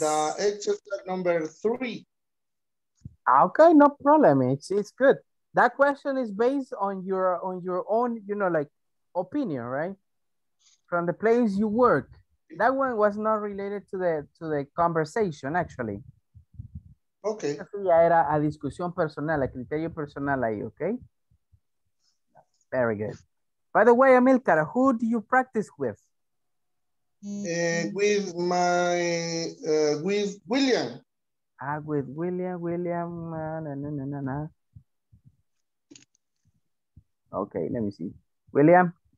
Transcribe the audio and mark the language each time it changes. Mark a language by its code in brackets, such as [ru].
[en] The exercise number 3. Okay, no problem. It's good. That question is based on your own, opinion, right? From the place you work. That one was not related to the conversation, actually. Okay. [es] Eso ya era a discusión personal, a criterio personal ahí, okay? [en] Very good. By the way, Amilcar, who do you practice with? With William. With William, na. Okay, let me see. William?